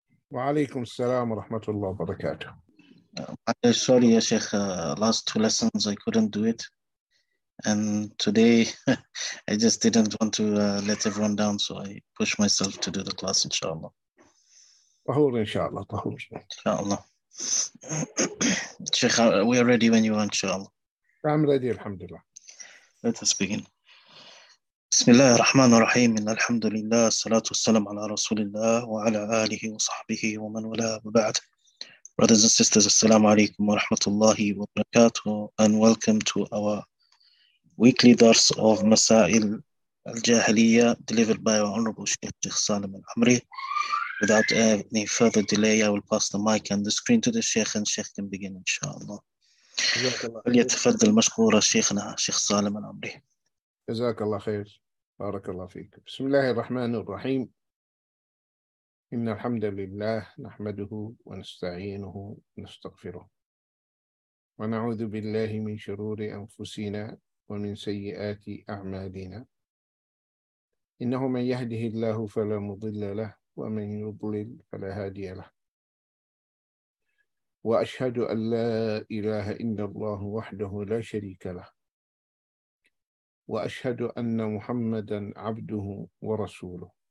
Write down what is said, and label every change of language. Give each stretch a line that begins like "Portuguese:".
Arabic: وعليكم السلام ورحمة الله وبركاته.
English: Sorry
Arabic: يا شيخ,
English: last two lessons I couldn't do it. And today I just didn't want to let everyone down, so I pushed myself to do the class, inshallah.
Arabic: طهور إن شاء الله, طهور إن شاء الله.
English: شيخ, we are ready when you are, inshallah. I'm ready, alhamdulillah. Let us begin.
Arabic: بسم الله الرحمن الرحيم. إن الحمد لله, الصلاة والسلام على رسول الله وعلى آله وصحبه ومن ولا بعد.
English: Brothers and sisters,
Arabic: السلام عليكم ورحمة الله وبركاته,
English: and welcome to our weekly درس of مسائل الجاهلية delivered by our honorable Sheikh Sheikh Salim Al-Amri. Without any further delay, I will pass the mic and the screen to the Sheikh, and Sheikh can begin, inshallah.
Arabic: فليتفضل مشكورا شيخنا Sheikh Salim Al-Amri. جزاك الله خير, بارك الله فيك. بسم الله الرحمن الرحيم. إن الحمد لله نحمده ونستعينه ونستغفره ونعوذ بالله من شرور أنفسنا ومن سيئات أعمالنا, إنه من يهده الله فلا مضل له ومن يضلل فلا هادي له, وأشهد أن لا إله إلا الله وحده لا شريك له, وأشهد أن محمدًا عبده ورسوله.